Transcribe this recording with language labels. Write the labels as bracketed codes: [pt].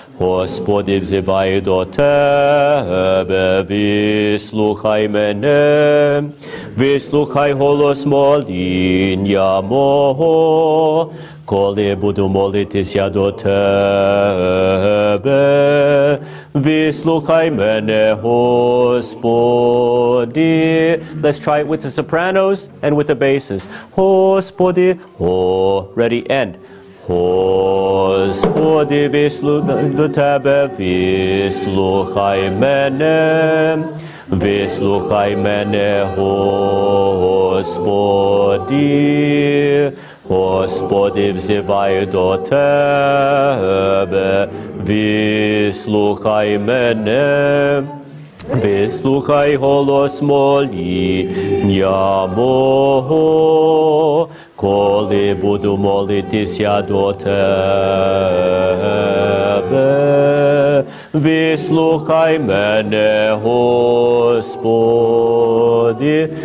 [uk] Господи, взиваю до тебе, вислухай мене. Вислухай голос моління мого. Коли буду молитися до тебе, вислухай мене, Господи. [en] Let's try it with the sopranos and with the basses. [uk] Господи, о, [en] ready, end. [uk] Господи, вислухай до тебе, вислухай мене. Вислухай мене, Господи. Господи, взиваю до тебе, вислухай мене, вислухай голос моління мого, коли буду молитися до тебе, вислухай мене, Господи.